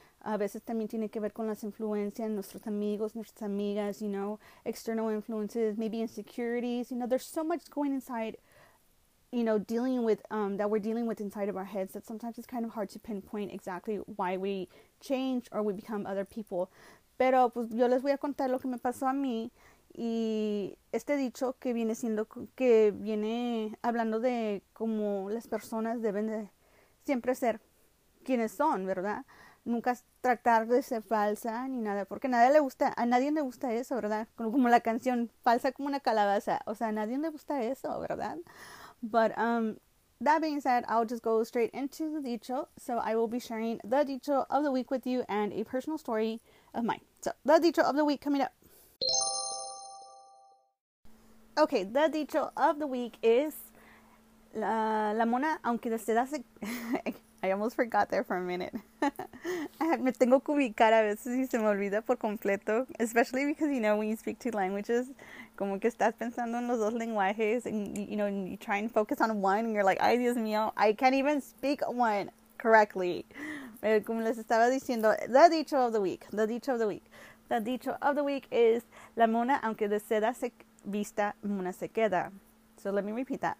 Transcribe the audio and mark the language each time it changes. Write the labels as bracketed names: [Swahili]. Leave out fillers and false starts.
[Spanish] A veces también tiene que ver con las influencias, nuestros amigos, nuestras amigas, [English] you know, external influences, maybe insecurities. You know, there's so much going inside, you know, dealing with, that we're dealing with inside of our heads, that sometimes it's kind of hard to pinpoint exactly why we change or we become other people. [Spanish] Pero pues yo les voy a contar lo que me pasó a mí, y este dicho que viene siendo, que viene hablando de cómo las personas deben de siempre ser quienes son, ¿verdad? Nunca tratar de ser falsa ni nada, porque a nadie le gusta eso, ¿verdad? Como la canción, falsa como una calabaza, o sea, a nadie le gusta eso, ¿verdad? [English] But that being said, I'll just go straight into the dicho. So I will be sharing the dicho of the week with you and a personal story of mine. So the dicho of the week coming up. Okay, the dicho of the week is [Spanish] la mona, aunque de seda se... [English] I almost forgot there for a minute. [Spanish] Me tengo que ubicar a veces y se me olvida por completo. [English] Especially because, you know, when you speak two languages, [Spanish] como que estás pensando en los dos lenguajes, [English] and you know, and you try and focus on one, and you're like, ay, Dios mío, I can't even speak one correctly. [Spanish] Como les estaba diciendo, [English] the dicho of the week, the dicho of the week. The dicho of the week is, [Spanish] la mona, aunque de seda se vista, mona se queda. [English] So let me repeat that.